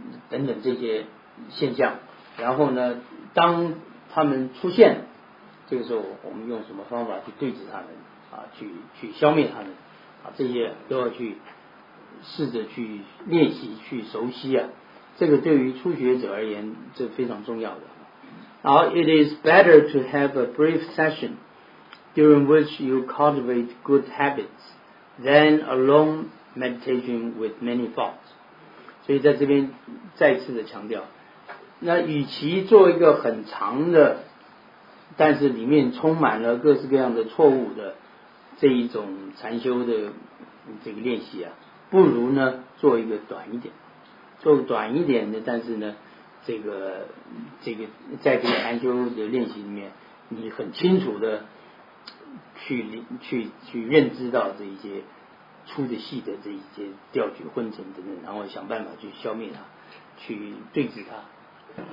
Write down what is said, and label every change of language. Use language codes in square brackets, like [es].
[zh] 等等这些现象，然后呢当他们出现这个时候，我们用什么方法去对治他们啊，去消灭他们啊，这些都要去试着去练习去熟悉啊，这个对于初学者而言这非常重要的。 [en] Now, it is better to have a brief session during which you cultivate good habits than a long meditation with many faults. [zh] 所以在这边再次的强调，那与其做一个很长的但是里面充满了各式各样的错误的这一种禅修的这个练习啊，不如呢做一个短一点，做短一点的，但是呢这个在这个禅修的练习里面，你很清楚的去认知到这一些粗的细的这一些调取混成等等，然后想办法去消灭它，去对治它。